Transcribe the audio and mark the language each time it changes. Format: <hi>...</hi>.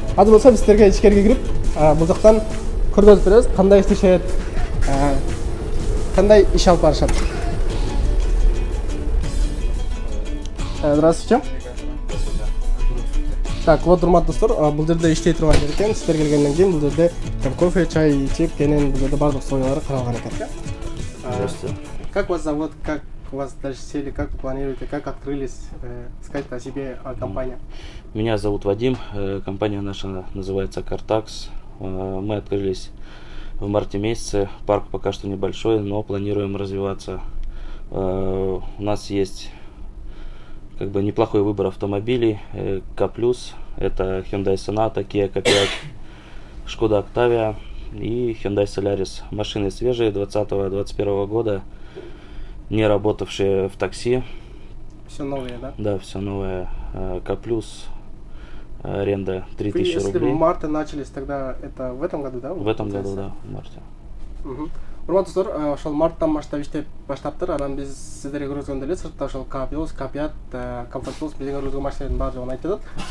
<ky>Азыр болсо биз сиздерге ичкерге кирип бул жактан көргөзүп беребиз, кандай иштешет, кандай иш алып барышат.</ky> <ru>Здравствуйте. Так вот,</ru> <ky>урматтуу достор, бул жерде иштей турган жер экен. Сиздер келгенден кийин бул жерде кофе, чай ичип, кенен бул жерде бардык условиялары каралган экен.</ky> <ru>Как вас зовут, как вас дальше сели, как вы планируете, как открылись, сказать о себе, о компании? Меня зовут Вадим, компания наша называется Картакс. Мы открылись в марте месяце, парк пока что небольшой, но планируем развиваться. У нас есть как бы неплохой выбор автомобилей. К+, это Hyundai Sonata, Kia K5, Skoda Octavia и Hyundai Solaris. Машины свежие, 2020-2021 года, не работавшие в такси. Все новое, да? Да, все новое. К+, аренда 3000 если рублей. Если в марте начались, тогда это в этом году, да? В этом году, да, в марте.</ru> <ky>Урмат достор, ошол марттан баштап иштеп баштаптыр. Анан биз сиздерге көрсөткөндө эле сыртта ошол КПОС, КПАТ, КОМФОРТПОС билген көрсөткөн машинелердин бар жогун айтып атат.</ky>